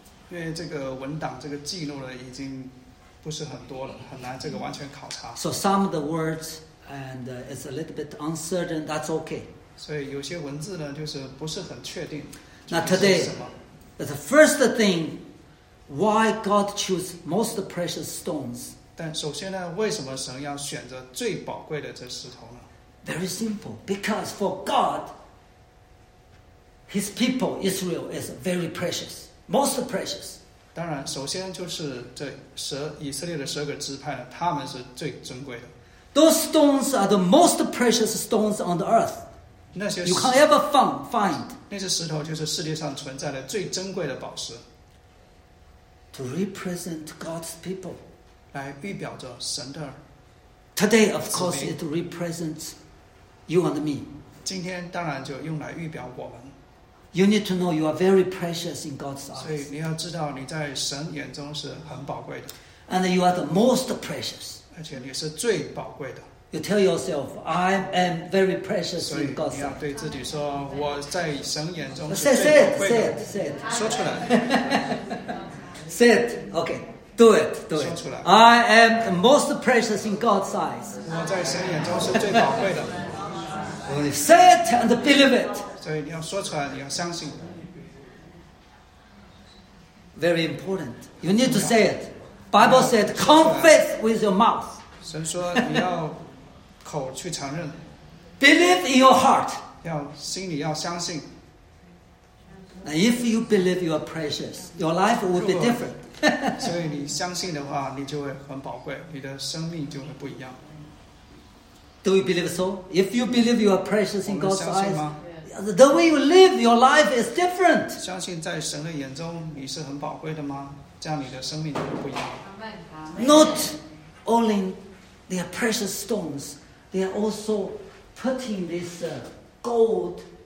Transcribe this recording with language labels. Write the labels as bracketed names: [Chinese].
[Chinese] 因为这个文档，这个记录呢，已经。不是很多了，很难这个完全考察。 [English] So some of the words and it's a little bit uncertain. That's okay. [Chinese] 所以有些文字呢，就是不是很确定。 [English] Now today, the first thing, why God choose most precious stones? [Chinese] 但首先呢，为什么神要选择最宝贵的这石头呢 [English] ？Very simple. Because for God, His people Israel is very precious, most precious. [Chinese] 当然，首先就是这以色列的十二个支派，他们是最珍贵的。 [English] Those stones are the most precious stones on the earth. [Chinese] 那些 [English] you can ever find. [Chinese] 那些石头就是世界上存在的最珍贵的宝石。 [English] To represent God's people. [Chinese] 来预表着神的。 [English] Today, of course, it represents you and me. [Chinese] 今天当然就用来预表我们。 [English] You need to know you are very precious in God's eyes. [Chinese] 所以你要知道你在神眼中是很宝贵的。 [English] And you are the most precious. [Chinese] 而且你是最宝贵的。 [English] You tell yourself, I am very precious in God's eyes. [Chinese] 所以你要对自己说，我在神眼中是最宝贵的。 [English] Say it, say it, say it. [Chinese] 说出来。 [English] Say it, okay. Do it, do it. [Chinese] 说出来。 [English] I am the most precious in God's eyes. [Chinese] 我在神眼中是最宝贵的。 [English] Say it and believe it. [Chinese] 所以你要说出来，你要相信。 [English] Very important. You need to say it. Bible said, confess with your mouth. [Chinese] 神说你要口去承认。 [English] Believe in your heart. [Chinese] 要心里要相信。 [English] And if you believe you are precious, your life will be different. [Chinese] 所以你相信的话，你就会很宝贵，你的生命就会不一样。 [English] Do you believe so? If you believe you are precious in God's eyes, [Chinese] 我们相信吗？ [English] The way you live, your life is different. [Chinese] 相信在神的眼中你是很宝贵的吗？这样你的生命就会不一样。 [English] Not only they are precious stones, they are also putting this gold.